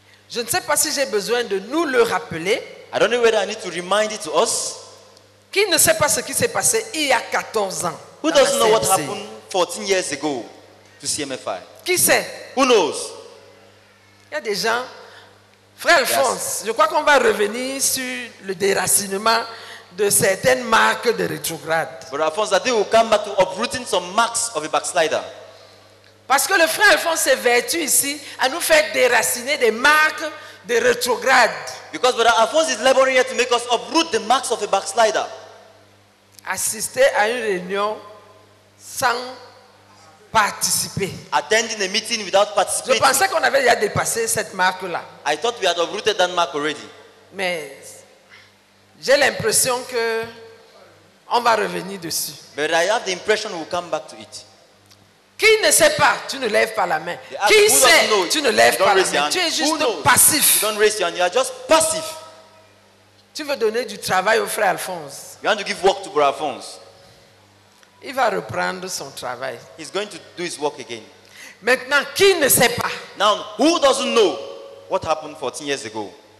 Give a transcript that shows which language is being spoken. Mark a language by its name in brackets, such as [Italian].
[French] Je ne sais pas si j'ai besoin de nous le rappeler. [English] I don't know whether I need to remind it to us. [French] Qui ne sait pas ce qui s'est passé il y a 14 ans? [English] Who doesn't know what happened 14 years ago to CMFI? [French] Qui sait? [English] Who knows? [French] Il y a des gens. Frère Alphonse, yes. Je crois qu'on va revenir sur le déracinement de certaines marques de rétrograde. [English] Brother Alphonse, I think we'll come back to uprooting some marks of a backslider. [French] Parce que le frère Alphonse s'est vertu ici à nous faire déraciner des marques de rétrograde. [English] Because Brother Alphonse is laboring here to make us uproot the marks of a backslider. [French] Assister à une réunion sans participer. [English] Attending a meeting without participating. [French] Je pensais qu'on avait déjà dépassé cette marque-là. [English] I thought we had uprooted that mark already. [French] Mais j'ai l'impression que on va revenir dessus. [English] But I have the impression we'll come back to it. [French] Qui ne sait pas, tu ne lèves pas la main. Qui sait, tu ne lèves pas la main. Tu es juste passif. [English] You don't raise your hand. You are just passive. [French] Tu veux donner du travail au frère Alphonse. [English] You want to give work to Brother Alphonse. [French] Il va reprendre son travail. [English] He's going to do his work again. [French] Maintenant, qui ne sait pas? [English] Now, who doesn't know what happened 14 years ago?